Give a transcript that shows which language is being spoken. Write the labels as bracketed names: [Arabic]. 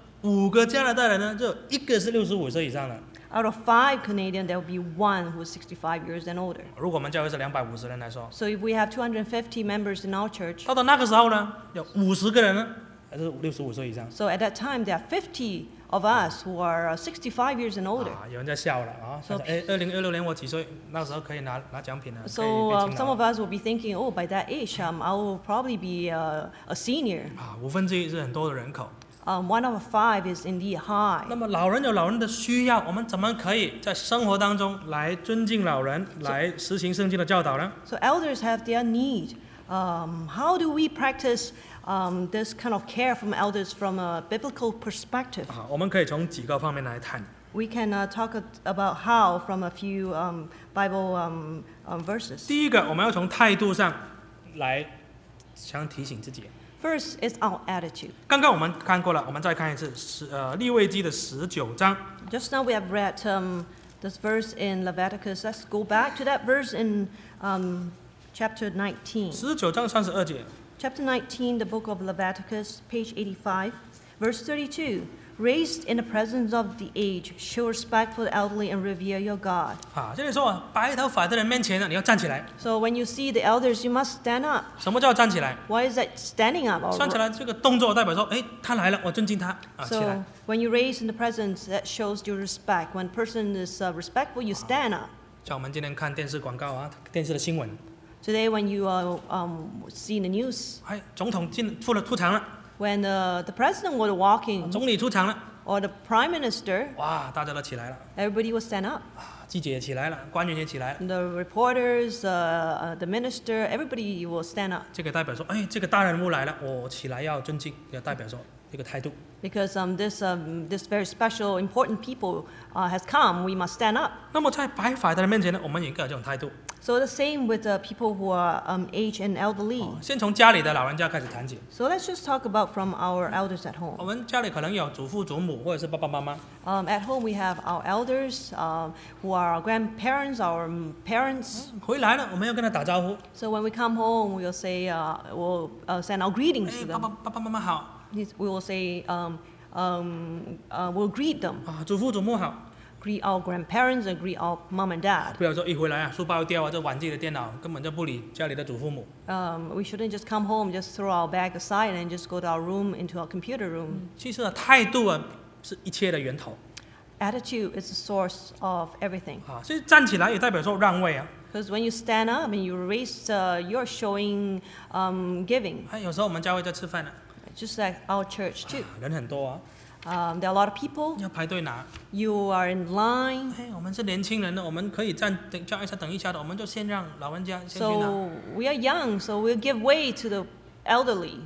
[Chinese] 五个加拿大人呢，就一个是65岁以上的。 [English] Out of five Canadians, there will be one who is 65 years and older. [Chinese] 如果我们教会是250人来说。 [English] So if we have 250 members in our church. [Chinese] 到那个时候呢，有50个人呢，还是65岁以上。 [English] So at that time, there are 50 of us who are 65 years and older. [Chinese] 有人在笑了啊，说2026年我几岁，那时候可以拿奖品了。 [English] So some of us will be thinking, oh, by that age, I will probably be a senior. [Chinese] 五分之一是很多的人口。 [English] One of five is indeed high. [Chinese] 那么老人有老人的需要，我们怎么可以在生活当中来尊敬老人，来实行圣经的教导呢？ [English] So elders have their need. How do we practice this kind of care from elders from a biblical perspective? [Chinese] 我们可以从几个方面来谈。 [English] We can talk about how from a few Bible verses. [Chinese] 第一个，我们要从态度上来想提醒自己。 [English] First is our attitude. [Chinese] 刚刚我们看过了，我们再看一次利未记的19章。 [English] Just now we have read this verse in Leviticus. Let's go back to that verse in chapter 19. [Chinese] 19章32节。 [English] Chapter 19, the book of Leviticus, page 85, verse 32. raised in the presence of the age, show respect for the elderly and revere your God. [Chinese] 这里说, 白头发的人面前呢, 你要站起来。 [English] So when you see the elders, you must stand up. [Chinese] 什么叫站起来? [English] Why is that standing up? [Chinese] 站起来这个动作代表说, 诶, 他来了, 我尊敬他, 啊, [English] so when you raise in the presence, that shows your respect. When a person is respectful, you stand up. [Chinese] 叫我们今天看电视广告啊, 电视的新闻。 [English] Today when you are seeing the news, [Chinese] 哎, 总统进出了出场了。 [English] When the president was walking, [Chinese] 总理出场了, [English] or the prime minister, [Chinese] 哇, 大家都起来了, [English] everybody would stand up. [Chinese] 啊, 记者也起来了, 官员也起来了, [English] the reporters, the minister, everybody will stand up. [Chinese] 这个代表说, 哎, 这个大人物来了, 我起来要尊敬, 要代表说一个态度。 [English] Because this very special, important people has come, we must stand up. [Chinese] 那么在白发的人面前呢, 我们也应该有这种态度。 [English] So the same with the people who are aged and elderly. 哦, [Chinese] 先从家里的老人家开始谈起。 [English] So let's just talk about from our elders at home. [Chinese] 我们家里可能有祖父祖母, 或者是爸爸妈妈。 [English] At home we have our elders, who are our grandparents, our parents. [Chinese] 嗯, 回来了, 我们要跟他打招呼。 [English] So when we come home, we'll say, we'll send our greetings 哎, to them. [Chinese] 爸爸妈妈好。 [English] We will say, we'll greet them. [Chinese] 啊, 祖父祖母好。 [English] Greet our grandparents and greet our mom and dad. [Chinese] 不要说一回来啊，书包掉啊，就玩自己的电脑，根本就不理家里的祖父母。 [English] We shouldn't just come home, just throw our bag aside and just go to our room, into our computer room. [Chinese] 其实态度啊，是一切的源头。 [English] Attitude is the source of everything. [Chinese] 啊，所以站起来也代表说让位啊。 [English] Because when you stand up and you raise, you're showing, giving. [Chinese] 哎，有时候我们教会在吃饭呢。 [English] Just like our church too. [Chinese] 啊，人很多啊。 [English] There are a lot of people. [Chinese] 要排队拿。 [English] You are in line. [Chinese] 嘿，我们是年轻人的，我们可以站等，叫一下，等一下的，我们就先让老人家先去拿。 [English] So we are young, so we'll give way to the elderly.